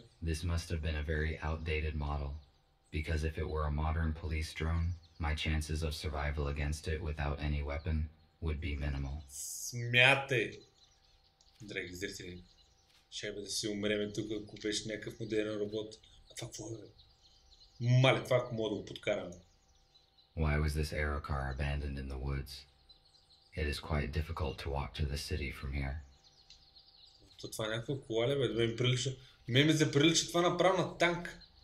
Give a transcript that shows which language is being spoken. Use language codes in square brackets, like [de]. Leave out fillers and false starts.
[en] This must have been a very outdated model. Because if it were a modern police drone, my chances of survival against it without any weapon would be minimal. [bg] Смятай, драги зрители. Шайба да си умреме тук, ако беше някакъв модерен робот. А това какво е? Мале, това ако мога да го подкараме. [en] Why was this aero car abandoned in the woods? It is quite difficult to walk to the city from here. [bg] Това е някаква кола, бе, да ми прилича. Ми се прилича това направо на танк.